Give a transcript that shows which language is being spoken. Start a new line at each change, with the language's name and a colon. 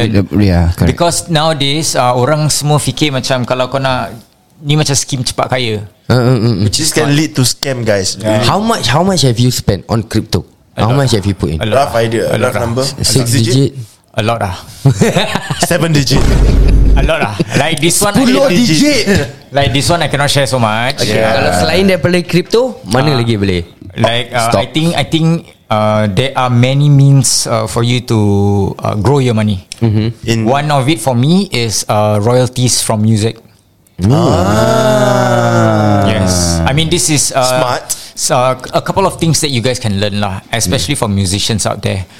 Malay: Learn.
English: Because nowadays,
Malay: orang semua fikir macam kalau kau nak ni macam skim cepat kaya,
English: which is can lead to scam, guys. Yeah. How much have you spent on crypto? How much have you put in? A rough idea, a rough number, six digit. A lot ah. 7 digit. A lot ah. Like this one, 10 digit. Like this one, I cannot share so much. Okay.
Malay: Yeah. Kalau selain daripada crypto, mana lagi boleh?
English: Like I think there are many means for you to grow your money. Mm-hmm. One of it for me is royalties from music. Yes, I mean this is smart. So a couple of things that you guys can learn lah, especially for musicians out there.